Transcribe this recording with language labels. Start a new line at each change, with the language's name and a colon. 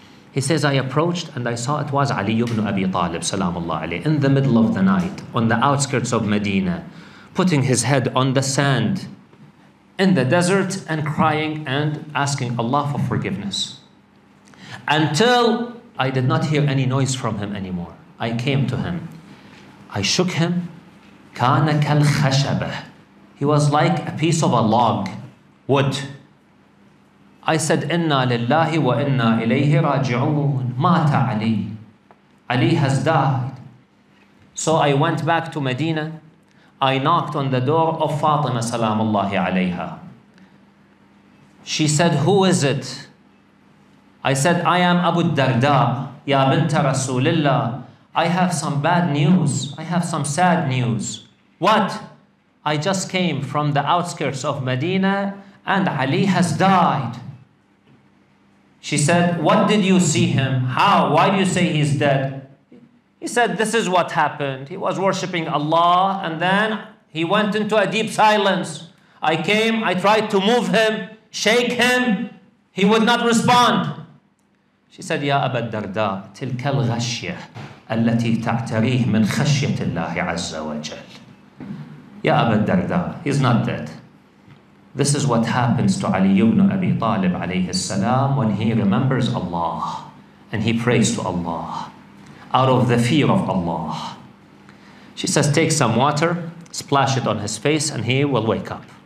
English: He says, I approached and I saw it was Ali ibn Abi Talib salamullah alayhi, in the middle of the night, on the outskirts of Medina, putting his head on the sand in the desert and crying and asking Allah for forgiveness. Until I did not hear any noise from him anymore. I came to him. I shook him.
Arabic: كان كالخشبة.
English: He was like a piece of a log, wood. I said,
Arabic: إِنَّا لِلَّهِ وَإِنَّا إِلَيْهِ رَاجِعُونَ. مَاتَ عَلِي.
English: Ali has died. So I went back to Medina. I knocked on the door of Fatima salamullahi alayha. She said, who is it? I said, I am Abu Darda,
Arabic: ya binta Rasulillah.
English: I have some bad news. I have some sad news. What? I just came from the outskirts of Medina and Ali has died. She said, what did you see him? How? Why do you say he's dead? He said, this is what happened. He was worshipping Allah and then he went into a deep silence. I came, I tried to move him. shake him, he would not respond. She said,
Arabic: يا أبا الدرداء تلك الغشية التي تعتريه من خشية الله عز وجل. يا أبا الدرداء,
English: he's not dead. This is what happens to Ali ibn Abi Talib عليه السلام when he remembers Allah and he prays to Allah out of the fear of Allah. She says, take some water, splash it on his face, and he will wake up.